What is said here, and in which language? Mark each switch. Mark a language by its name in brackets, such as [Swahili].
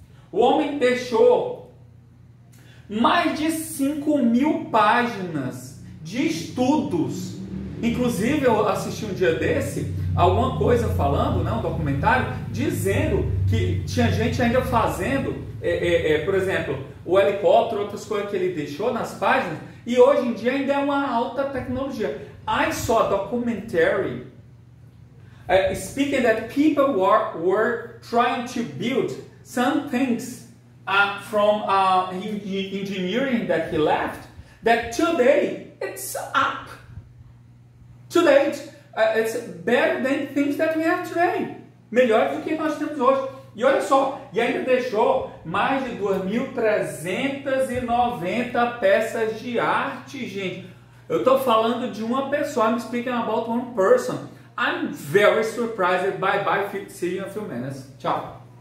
[Portuguese] O homem deixou mais de 5 mil páginas de estudos. Inclusive, eu assisti um dia desse alguma coisa falando, né, um documentário, dizendo que tinha gente ainda fazendo, por exemplo, o helicóptero, outras coisas que ele deixou nas páginas, e hoje em dia ainda é uma alta tecnologia. [English] I saw a documentary speaking that people were trying to build some things from engineering that he left, that today it's up. Today it's better than things that we have today. [Portuguese] Melhor do que nós temos hoje. E olha só, e ainda deixou mais de 2.390 peças de arte, gente. Eu estou falando de uma pessoa. [English] I'm speaking about one person. I'm very surprised. Bye bye. See you in a few minutes. Tchau.